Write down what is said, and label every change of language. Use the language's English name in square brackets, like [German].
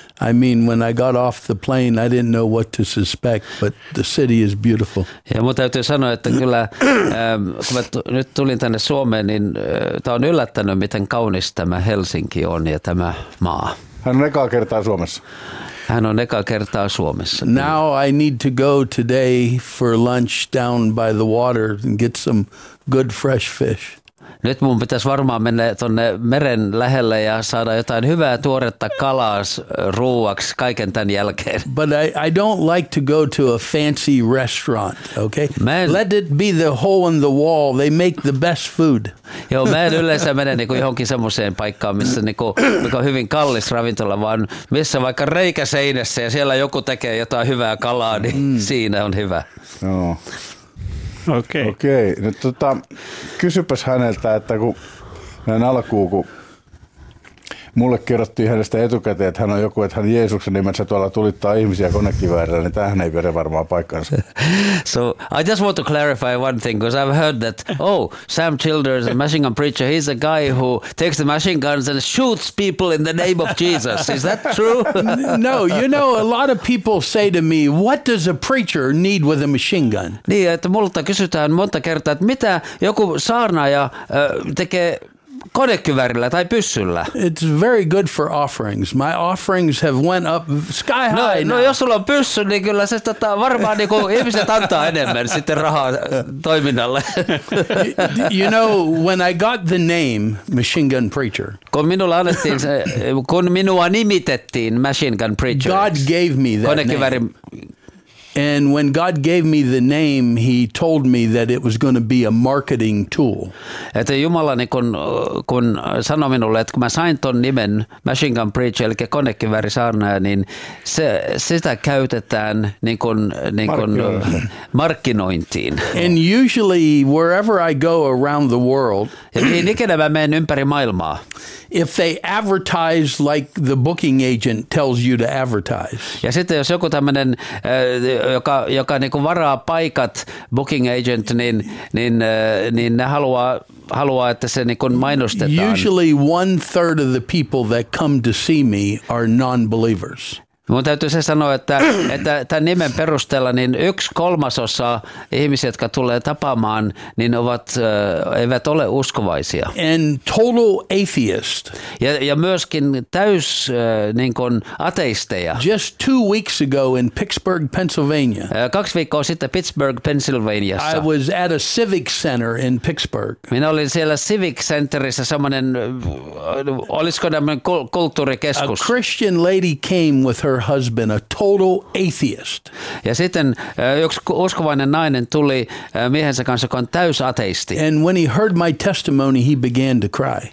[English] I mean, when I got off the plane, I didn't know what to suspect, but the city is beautiful. [Finnish] Ja mun täytyy sanoa, että kyllä, kun mä nyt tulin tänne Suomeen, niin tää on yllättänyt, miten kaunis tämä Helsinki on ja tämä maa. Hän on ekaa kertaa Suomessa. Hän on ekaa kertaa Suomessa. [English] Now I need to go today for lunch down by the water and get some good fresh fish. [Finnish] Nyt mun pitäisi varmaan mennä tuonne meren lähelle ja saada jotain hyvää tuoretta kalaa ruuaksi kaiken tämän jälkeen. [English] But I don't like to go to a fancy restaurant, okay? Let it be the hole in the wall. They make the best food. [Finnish] Joo, mä en yleensä mene niinku johonkin semmoiseen paikkaan, missä niinku, mikä on hyvin kallis ravintola, vaan missä vaikka reikä seinässä ja siellä joku tekee jotain hyvää kalaa, niin siinä on hyvä. Joo. No. Okei. [English] Okay. Okei. Okay. [Finnish] No kysypäs häneltä, että kun näin alkuun, kun mulle kerrottiin hänestä etukäteen, että hän on joku, että hän Jeesuksen nimessä tuolla tulittaa ihmisiä konekiväärillä, niin tämähän ei pidä varmaan paikkansa. [English] So I just want to clarify one thing, because I've heard that, Sam Childers, a machine gun preacher, he's a guy who takes the machine guns and shoots people in the name of Jesus. Is that true? No, you know, a lot of people say to me, what does a preacher need with a machine gun? [Finnish] Niin, että multa kysytään monta kertaa, että mitä joku saarnaaja tekee konekyvärillä tai pyssyllä. [English] It's very good for offerings. My offerings have went up sky high. [Finnish] No, jos sulla on pyssy, niin kyllä se varmaan niin kuin ihmiset antaa enemmän sitten rahaa toiminnalle. [English] You know, when I got the name Machine Gun Preacher. [Finnish] Kun minulla annettiin se, kun minua nimitettiin Machine Gun Preacher. [English] God gave me that [Finnish] konekyväri [English] name. And when God gave me the name, he told me that it was going to be a marketing tool. [Finnish] Että Jumala kun sanoi minulle, että kun mä sain ton nimen Machine Gun Preacher, eli konekiväri saarnaaja, niin sitä käytetään niin kun markkinointiin. [English] And usually wherever I go around the world, [Finnish] niin ikinä mä menen ympäri maailmaa. [English] If they advertise like the booking agent tells you to advertise. [Finnish] Ja sitten jos joku tämmönen joka niinku varaa paikat booking agent niin ne haluaa että se niinku mainostetaan. [English] Usually 1/3 of the people that come to see me are non-believers. [Finnish] Mun täytyy se sanoa, että tämän nimen perusteella niin 1/3 ihmisiä, jotka tulee tapaamaan, niin eivät ole uskovaisia. [English] And total atheist. [Finnish] Ja myöskin täys niin kuin ateisteja. [English] Just 2 weeks ago in Pittsburgh, Pennsylvania. [Finnish] 2 viikkoa sitten Pittsburgh, Pennsylvaniassa. [English] I was at a civic center in Pittsburgh. [Finnish] Minä olin siellä civic centerissä semmoinen, olisiko tämmöinen kulttuurikeskus. [English] A Christian lady came with her husband, a total atheist. [Finnish] Ja sitten yksi uskovainen nainen tuli miehensä kanssa, joka on täysateisti. [English] And when he heard my testimony, he began to cry.